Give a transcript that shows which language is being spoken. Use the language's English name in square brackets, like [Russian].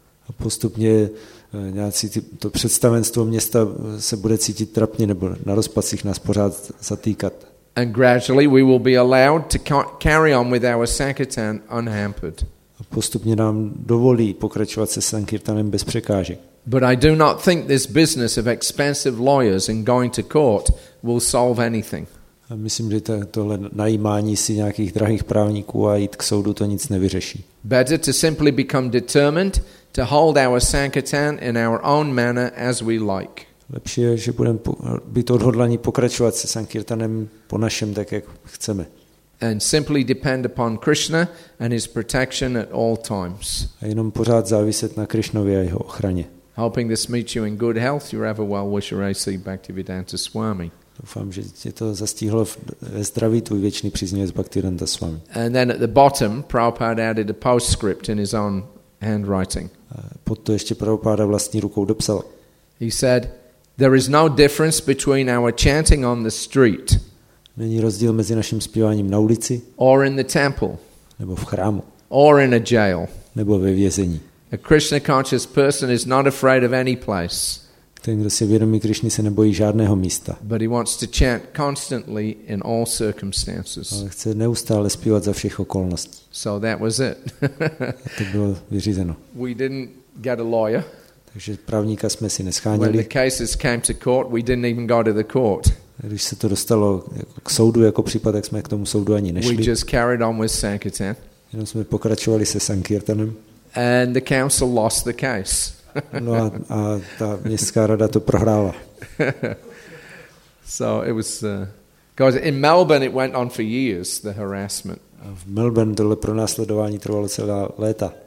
[Czech] A postupně nějaký to představenstvo města se bude cítit trapně nebo na rozpacích nás pořád zatýkat. [English] And gradually we will be allowed to carry on with our Sankirtan unhampered. [Czech] A postupně nám dovolí pokračovat se Sankirtanem bez překážek. [English] But I do not think this business of expensive lawyers and going to court will solve anything. [Czech] A myslím, že tohle najímání si nějakých drahých právníků a jít k soudu to nic nevyřeší. [English] Better to simply become determined to hold our Sankirtan in our own manner as we like. [Czech] Lepší je, že budeme být odhodlaní pokračovat se Sankirtanem po našem, tak jak chceme. [English] And simply depend upon Krishna and his protection at all times. [Czech] A jenom pořád záviset na Krishnovi a jeho ochraně. [English] Hoping this meets you in good health, your ever well wisher AC Bhaktivedanta Swami. [Czech] Doufám, že tě to zastihlo ve zdraví, tvůj věčný příznivec Bhaktivedanta Swami. [English] And then at the bottom, Prabhupada added a postscript in his own handwriting. [Czech] A pod to ještě Prabhupada vlastní rukou dopsal. [English] He said, there is no difference between our chanting on the street. [Czech] Není rozdíl mezi naším zpíváním na ulici. [English] Or in the temple. [Czech] Nebo v chrámu. [English] Or in a jail. [Czech] Nebo ve vězení. [English] A Krishna conscious person is not afraid of any place. [Czech] Ten, kdo si vědomí Krišny, se nebojí žádného místa. [English] But he wants to chant constantly in all circumstances. [Czech] Ale chce neustále zpívat za všech okolností. [English] So that was it. [Czech] To bylo vyřízeno. [English] We didn't get a lawyer. [Czech] Takže právníka jsme si nescháněli. [English] When the cases came to court, we didn't even go to the court. [Czech] Když se to dostalo k soudu jako případ, jak jsme k tomu soudu ani nešli. [English] We just carried on with Sankirtan. [Czech] Jenom jsme pokračovali se Sankirtanem. [English] And the council lost the case. [Czech] No a ta městská rada to prohrála. [English] So it was guys, in Melbourne it went on for years, the harassment. [Czech] V Melbourne tohle pronásledování trvalo celá léta.